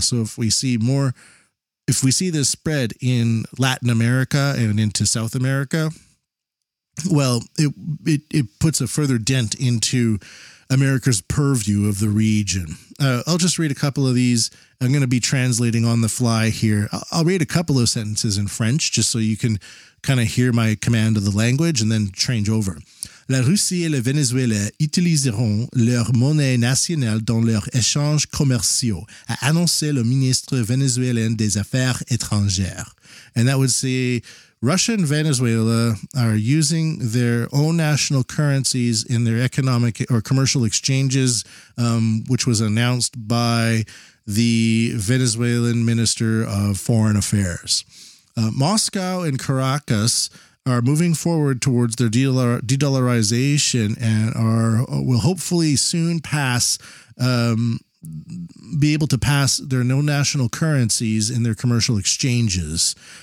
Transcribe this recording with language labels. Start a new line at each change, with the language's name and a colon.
English: So if we see this spread in Latin America and into South America, well, it puts a further dent into America's purview of the region. I'll just read a couple of these. I'm going to be translating on the fly here. I'll read a couple of sentences in French just so you can kind of hear my command of the language and then change over.
French: "La Russie et le Venezuela utiliseront leur monnaie nationale dans leurs échanges commerciaux, a annoncé le ministre vénézuélien des Affaires étrangères."
English: And that would say Russia and Venezuela are using their own national currencies in their economic or commercial exchanges, which was announced by the Venezuelan Minister of Foreign Affairs. Moscow and Caracas are moving forward towards their de-dollarization and will hopefully soon be able to pass their no national currencies in their commercial exchanges.